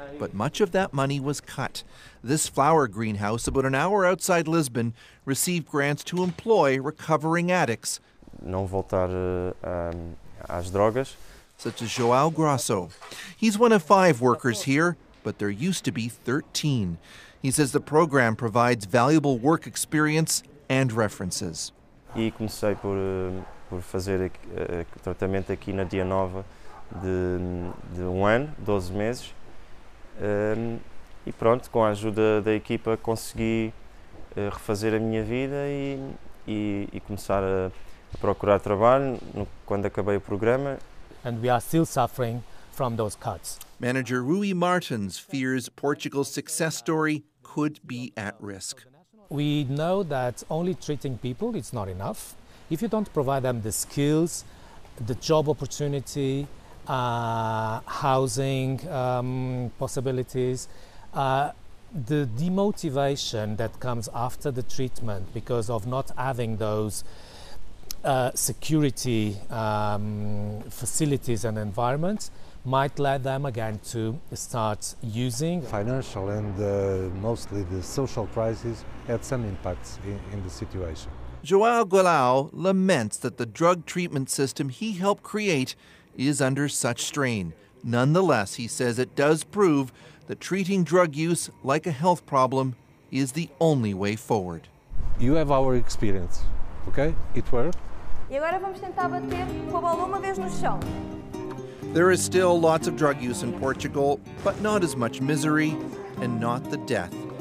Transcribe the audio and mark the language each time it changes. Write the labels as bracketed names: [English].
[English] But much of that money was cut. This flower greenhouse, about an hour outside Lisbon, received grants to employ recovering addicts. [Portuguese] Não voltar às drogas. [English] Such as João Grosso. He's one of five workers here, but there used to be 13. He says the program provides valuable work experience and references. [Portuguese] E comecei por fazer tratamento aqui na Dia Nova de um ano, 12 meses. E pronto, com a ajuda da equipa consegui refazer a minha vida e começar a procurar trabalho quando acabei o programa. [English] And we are still suffering from those cuts. Manager Rui Martins fears Portugal's success story could be at risk. We know that only treating people is not enough. If you don't provide them the skills, the job opportunity, housing possibilities, the demotivation that comes after the treatment because of not having those security facilities and environments might lead them again to start using. Financial and mostly the social crisis had some impacts in the situation. João Goulau laments that the drug treatment system he helped create is under such strain. Nonetheless, he says it does prove that treating drug use like a health problem is the only way forward. You have our experience, okay? It worked. [Portuguese] E agora vamos tentar bater com a bola uma vez no chão. [English] There is still lots of drug use in Portugal, but not as much misery and not the death.